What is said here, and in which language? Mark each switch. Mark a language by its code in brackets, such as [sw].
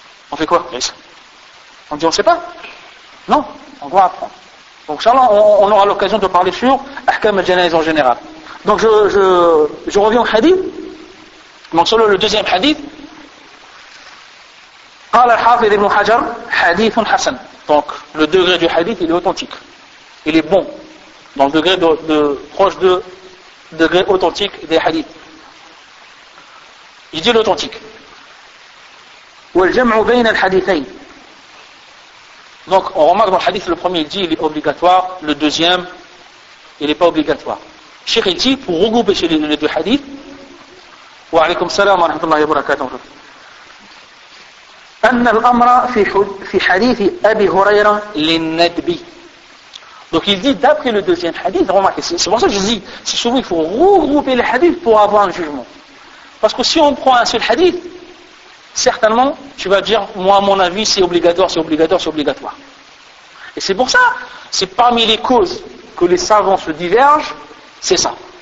[fr] On fait quoi? On dit on ne sait pas? Non, on doit apprendre. Donc ça, on aura l'occasion de parler sur [ar] ahkam al-janaza [fr] en général. Donc je reviens au hadith. Donc selon le deuxième hadith, [ar] قال الحافظ ابن حجر حديث حسن. [fr] Donc le degré du hadith, il est authentique. Il est bon. Dans le degré de proche de degré authentique des hadiths. Il dit l'authentique. [ar] والجمع بين الحديثين. [fr] Donc on remarque dans le hadith, le premier il dit il est obligatoire, le deuxième il n'est pas obligatoire. Cheikh il dit pour regrouper chez les deux hadiths. [ar] Wa alaykum salam wa rahmatullahi wa barakatuh. أن الأمر في حديث أبي هريرة للندب. [fr] Donc il dit d'après le deuxième hadith, remarquez, c'est pour ça que je dis, c'est souvent il faut regrouper les hadiths pour avoir un jugement. Parce que si on prend un seul hadith, certainement tu vas dire, moi à mon avis c'est obligatoire, c'est obligatoire, c'est obligatoire. Et c'est pour ça, c'est parmi les causes que les savants se divergent, c'est ça.